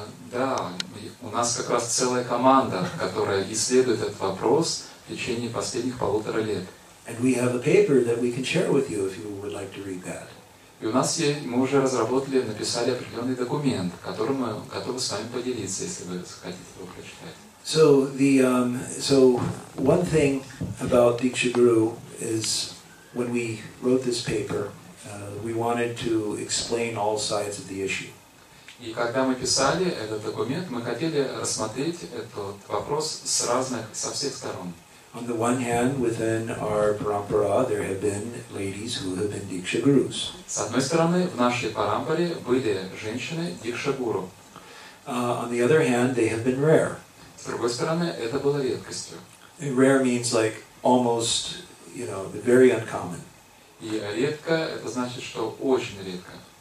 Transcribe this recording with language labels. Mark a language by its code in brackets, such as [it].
[ru] Да, у нас как раз целая команда, которая исследует этот вопрос в течение последних полутора лет. [en] And we have a paper that we can share with you if you would like to read that. [ru] И у нас есть, мы уже разработали, написали определенный документ, которым мы готовы с вами поделиться, если вы хотите его прочитать. [en] So the one thing about Diksha Guru is when we wrote this paper, we wanted to explain all sides of the issue. [ru] И когда мы писали этот документ, мы хотели рассмотреть этот вопрос с разных, со всех сторон. [en] On the one hand, within our parampara, there have been ladies who have been Diksha Gurus. [ru] С одной стороны, в нашей парампаре были женщины Дикша Гуру. [en] On the other hand, they have been rare. [ru] С другой стороны, это было редкостью. [en] And rare means like almost, you know, very uncommon. [ru] И редко, это значит, что очень редко.